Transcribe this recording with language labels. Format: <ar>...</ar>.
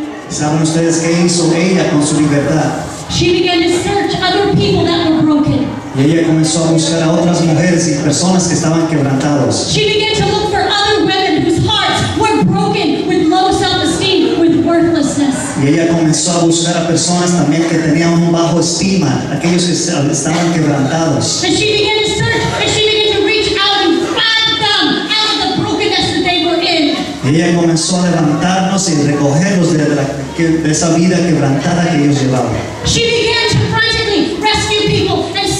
<es>¿Saben ustedes qué hizo ella con su libertad?</es> <en>She began to search other people that were broken.</en> <es>Y ella comenzó a buscar a otras mujeres y personas que estaban quebrantados.</es> <en>She began to look for other women whose hearts were broken with low self-esteem, with worthlessness.</en> <es>Y ella comenzó a buscar a personas también que tenían un bajo estima, aquellos que estaban quebrantados.</es> <en>And she began to search and she began to reach out and find them out of the brokenness that they were in.</en> <es>Y ella comenzó a levantarnos y recogerlos de esa vida quebrantada que ellos llevaban.</es> <en>She began to frantically rescue people.</en>